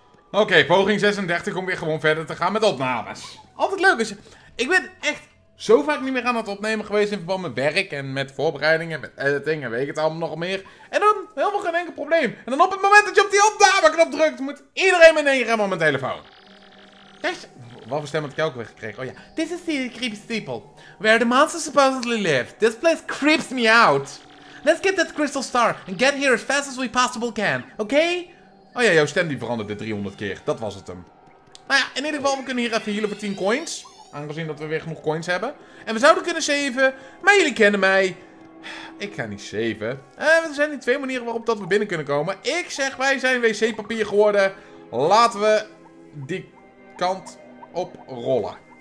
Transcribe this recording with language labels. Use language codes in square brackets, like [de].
[nl] Oké, poging 36 om weer gewoon verder te gaan met opnames. Altijd leuk is. Ik ben echt zo vaak niet meer aan het opnemen geweest in verband met werk en met voorbereidingen, met editing en weet ik het allemaal nog meer. En dan Helemaal geen enkel probleem. En dan op het moment dat je op die opdame-knop drukt, moet iedereen me neerremmen op mijn telefoon. Kijk, wat voor stem heb ik ook weer gekregen? Oh ja, [en] this is the creepy steeple. Where the monsters supposedly live. This place creeps me out. Let's get that crystal star and get here as fast as we possible can, okay? [nl] Oh ja, jouw stem die veranderde 300 keer. Dat was het hem. Nou ja, in ieder geval, we kunnen hier even healen voor 10 coins. Aangezien dat we weer genoeg coins hebben. En we zouden kunnen saven, maar jullie kennen mij. Ik ga niet saven. Er zijn niet twee manieren waarop dat we binnen kunnen komen. Ik zeg, wij zijn wc-papier geworden. Laten we die kant op rollen.